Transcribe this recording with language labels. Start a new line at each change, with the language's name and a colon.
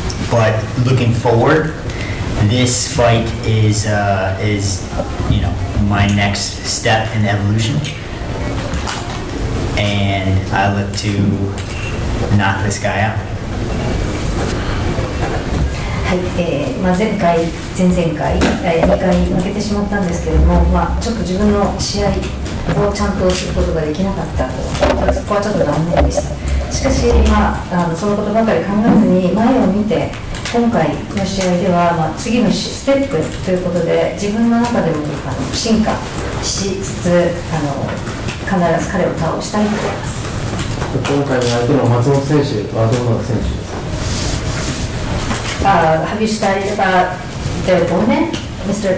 English: But looking forward, this fight is you know, my next step in evolution. And I look to knock this guy out.
Japanese: まあ、前回、前々回、2回負けてしまったんですけども、まあ、ちょっと自分の試合をちゃんとすることができなかったと、そこはちょっと残念でした。しかし、まあ、そのことばかり考えずに前を見て、今回の試合では、まあ、次のステップということで自分の中でも進化しつつ必ず彼を倒したいと思います。今回の相手の松本選手はどんな選手ですか？
English: Have you studied about the opponent, Mr.